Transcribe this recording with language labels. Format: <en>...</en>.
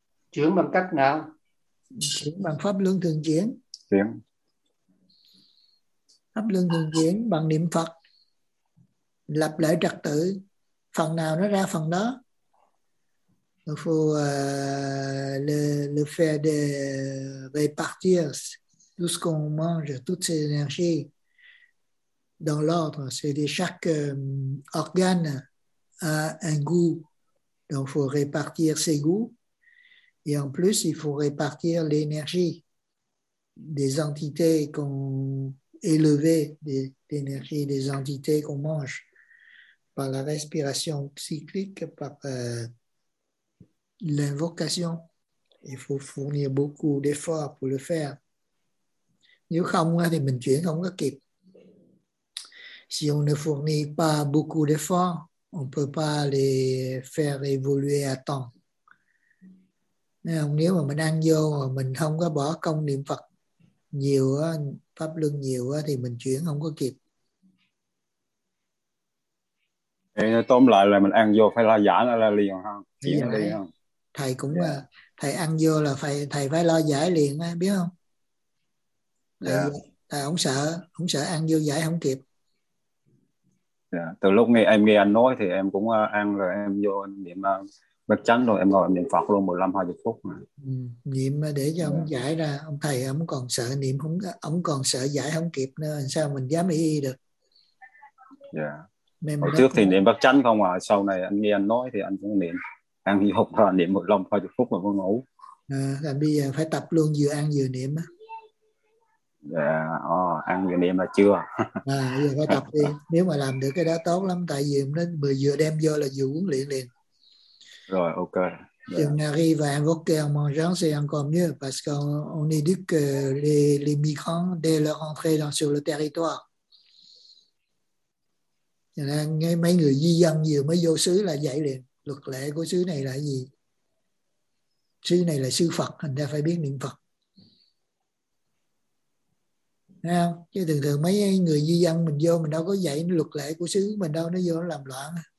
<vi>Chuyển bằng cách nào? Chuyển bằng pháp luân thường chuyển. Chuyển pháp luân thường chuyển bằng niệm Phật, lập lại trật tự, phần nào nó ra phần đó.</vi> <fr>Le fait de répartir tout ce qu'on mange, toutes ces énergies dans l'ordre, c'est que chaque organe a un goût. Donc, il faut répartir ses goûts. Et en plus, il faut répartir l'énergie des entités qu'on élève, l'énergie des entités qu'on mange par la respiration cyclique, par l'invocation. Il faut fournir beaucoup d'efforts pour le faire.</fr> <vi>Nếu không, thì mình chuyển không có kịp.</vi> <fr>Si on ne fournit pas beaucoup d'efforts, on ne peut pas les faire évoluer à temps.</fr> <vi>Nếu mà mình ăn vô mà mình không có bỏ công niệm Phật nhiều á, pháp luân nhiều á, thì mình chuyển không có kịp. Tóm lại là mình ăn vô phải là giả nó là liền ha? Thầy cũng là, thầy ăn vô là phải, thầy phải lo giải liền á, biết không? Thầy không sợ ăn vô giải không kịp. Từ lúc nghe em nghe anh nói thì em cũng ăn rồi em vô niệm bất chánh rồi em ngồi em niệm Phật luôn 15-20 phút mà. Niệm để cho ông giải ra, ông thầy ông còn sợ niệm không, ông còn sợ giải không kịp nữa, sao mình dám y được. Hồi trước thì niệm bất chánh không à, sau này anh nghe anh nói thì anh cũng niệm ăn vô rồi niệm 15-20 phút rồi mới ngủ. Bây giờ phải tập luôn vừa ăn vừa niệm á. Ăn vừa niệm là chưa. Bây giờ phải tập đi. Nếu mà làm được cái đó tốt lắm, tại vì nó vừa đem vô là vừa huấn luyện liền. Rồi, ok.</vi> <fr>Si on arrive à invoquer en mangeant, c'est encore mieux parce qu'on éduque les migrants dès leur entrée dans sur le territoire.</fr> <vi>Ngay mấy người di dân vừa mới vô xứ là dạy liền. Luật lệ của xứ này là gì? Xứ này là xứ Phật, thành ra phải biết niệm Phật. Thấy không? Chứ thường thường mấy người di dân mình vô mình đâu có dạy luật lệ của xứ mình đâu, nó vô nó làm loạn.</vi>